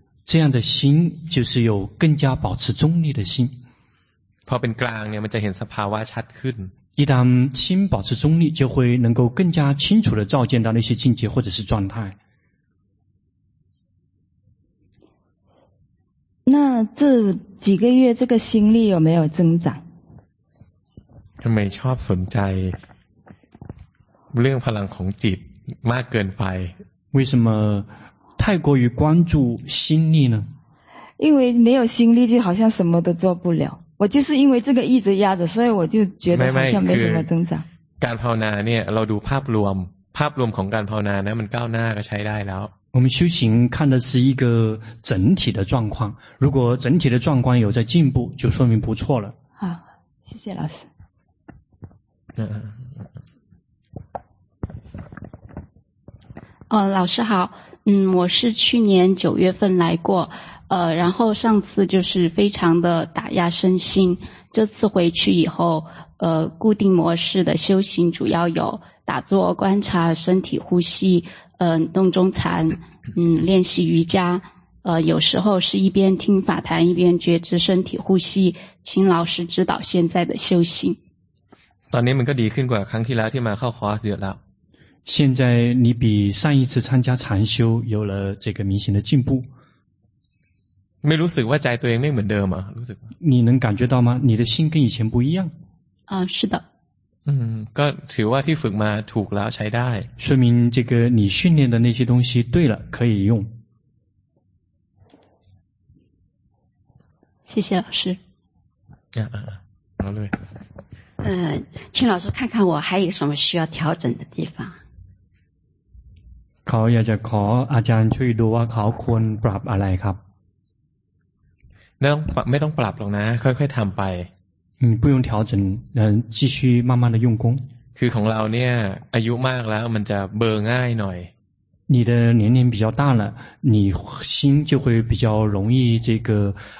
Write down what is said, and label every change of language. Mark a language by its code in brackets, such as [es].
[zh] 这样的心就是有更加保持中立的心 [th] พอเป็นกลางเนี่ยมันจะเห็นสภาวะชัดขึ้น [zh] 一旦心保持中立就会能够更加清楚地照见到那些境界或者是状态那这几个月这个心力有没有增长 [th] ทำไมชอบสนใจเรื่องพลังของจิตมากเกินไป [zh] 为什么太过于关注心力呢因为没有心力就好像什么都做不了我就是因为这个一直压着所以我就觉得好像没什么增长 [th] การภาวนาเนี่ยเราดูภาพรวมภาพรวมของการภาวนานะมันก้าวหน้าก็ใช้ได้แล้ว [zh] 我们修行看的是一个整体的状况如果整体的状况有在进步就说明不错了好谢谢老师老师好我是去年九月份来过然后上次就是非常的打压身心这次回去以后固定模式的修行主要有打坐观察身体呼吸动中禅练习瑜伽有时候是一边听法坛一边觉知身体呼吸请老师指导现在的修行 [th] ตอนนี้มันก็ดีขึ้นกว่าครั้งที่แล้วที่มาเข้าคอร์สเยอะแล้ว [zh] 现在你比上一次参加禅修有了这个明显的进步 [th] ไม่รู้สึกว่าใจตัวเองไม่เหมือนเดิมอ่ะรู้สึก [zh] 你能感觉到吗你的心跟以前不一样是的 [th] ก็ถือว่าที่ฝึกมาถูกแล้วใช้ได้ [zh] 说明这个你训练的那些东西对了可以用谢谢老师好嘞请老师看看我还有什么需要调整的地方 [th] เขาอยากจะขออาจารย์ช่วยดูว่าเขาควรปรับอะไรครับ ไม่ต้องปรับหรอกนะค่อยๆทำไ [zh] ป不用调整继续慢慢的用功 [th] คือของเราเนี่ยอายุมากแล้วมันจะเบอร์ง่ายหน่อย [zh] 你的年龄比较大了你心就会比较容易这个